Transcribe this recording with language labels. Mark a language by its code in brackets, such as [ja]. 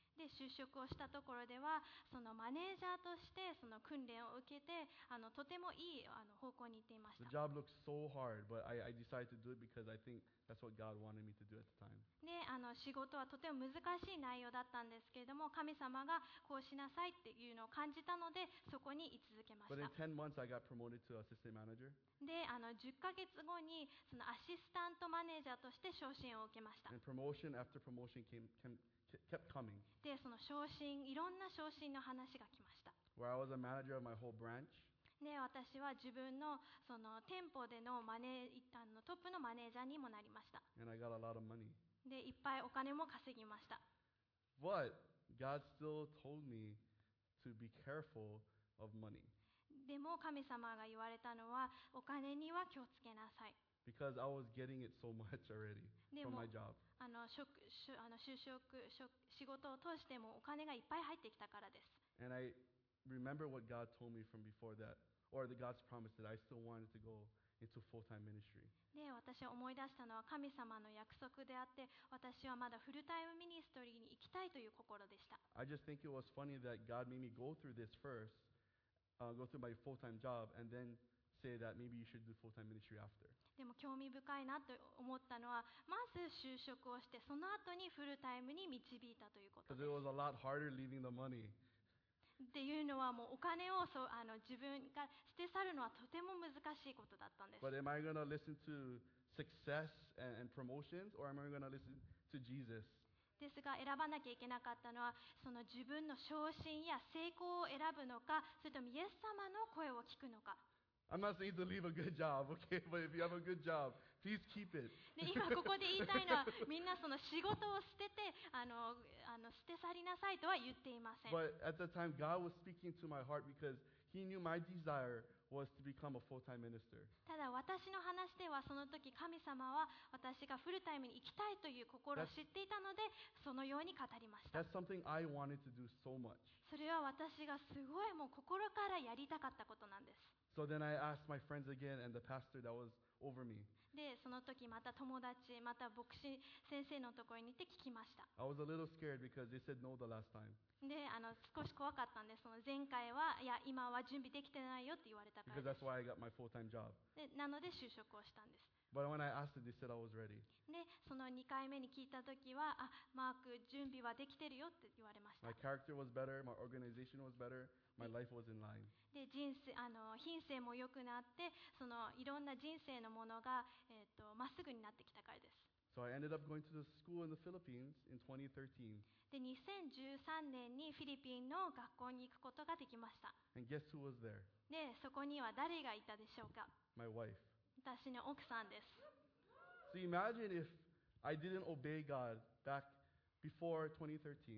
[ja] で、就職をしたところでは、そのマネージャーとしてその訓練を受けて、とてもいい方向に行っていました。 [en] The job looked so hard, but I decided to do it because I think that's what God wanted me to do at the time. [ja] で、仕事はとても難しい内容だったんですけれども、神様がこうしなさいっていうのを感じたので、そこに居続けました。 [en] But in 10 months, I got promoted to assistant manager. [ja] で、10ヶ月後にそのアシスタントマネージャーとして昇進を受けました。 [en] And promotion after promotion kept coming. [ja] で、その昇進、いろんな昇進の話が来ました。 [en] Where I was a manager of my whole branch. [ja] で私は自分 の, その店舗で の, マネ一旦のトップのマネージャーにもなりました。 [en] And I got a lot of money. [ja] でいっぱいお金も稼ぎました。 [en] But God still told me to be careful of money. [ja] でも神様が言われたのはお金には気をつけなさい。 [en] Because I was getting it so much already from my job. [ja] あの職しあの就職仕事を通してもお金がいっぱい入ってきたからです。 [en] And I remember what God told me from before that, or the God's promise that I still wanted to go into full-time ministry. [ja] で、私は思い出したのは神様の約束であって、私はまだフルタイムミニストリーに行きたいという心でした。 [en] I just think it was funny that God made me go through this first, go through my full-time job, and then. Say that maybe you should do full-time ministry after. [ja] でも興味深いなと思ったのは、まず就職をしてその後にフルタイムに導いたということです。 [en] Because it was a lot harder leaving the money. [ja] っていうのはもうお金をそあの自分が捨て去るのはとても難しいことだったんです。 [en] But am I going to listen to success and promotions, or am I going to listen to Jesus? [ja] ですが選ばなきゃいけなかったのはその自分の昇進や成功を選ぶのか、それともイエス様の声を聞くのか。 [en] I'm not saying to leave a good job, okay? But if you have a good job, please keep it. [ja] 今ここで言いたいのは、みんなその仕事を捨てて、捨て去りなさいとは言っていません。 [en] But at the time, God was speaking to my heart because He knew my desire was to become a full-time minister. [ja] ただ私の話ではその時神様は私がフルタイムに行きたいという心を知っていたので、そのように語りました。 [en] That's something I wanted to do so much. [ja] それは私がすごいもう心からやりたかったことなんです。 [en] So then I asked my friends again and the pastor that was over me. [ja] で、その時また友達、また牧師先生のところに行って聞きました。 [en] I was a little scared because they said no the last time. [ja] で、少し怖かったんです。その前回は、いや、今は準備できてないよって言われたからです。 [en] Because that's why I got my full-time job. [ja] で、なので就職をしたんです。 [en] But when I asked it, they said I was ready. [ja] で、その2回目に聞いた時は、あ、マーク、準備はできてるよって言われました。 [en] My character was better, my organization was better. My life was in line. [ja] で人生品性も良くなって、そのいろんな人生のものがまっすぐになってきたからです。 [en] So I ended up going to the school in the Philippines in 2013. [ja] で2013年にフィリピンの学校に行くことができました。 [en] And guess who was there? [ja] でそこには誰がいたでしょうか。 [en] My wife. [ja] 私の奥さんです。 [en] So imagine if I didn't obey God back before 2013.